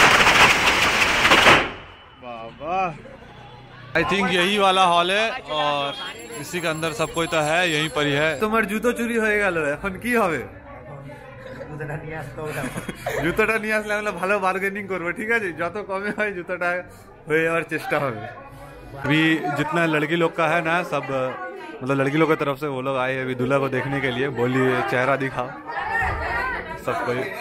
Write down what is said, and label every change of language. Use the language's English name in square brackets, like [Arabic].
[Hindi] Baba [English] I think [Hindi] यही वाला hall है और इसी के अंदर सब कोई तो है, यहीं पर ही है। तुम्हारे जूतो चोरी हो गया लो, अपन की होवे [Bangla] জুতোটা নিয়ে আসলে আমরা ভালো বার্গেনিং করবো, ঠিক আছে, যত কমে হয় জুতোটা হয়ে যাওয়ার চেষ্টা হবে। [Hindi] अभी जितना लड़की लोग का है ना, सब मतलब लड़की लोग की तरफ से वो लोग आए अभी दूल्हा को देखने के लिए, बोलिए चेहरा दिखा सबको।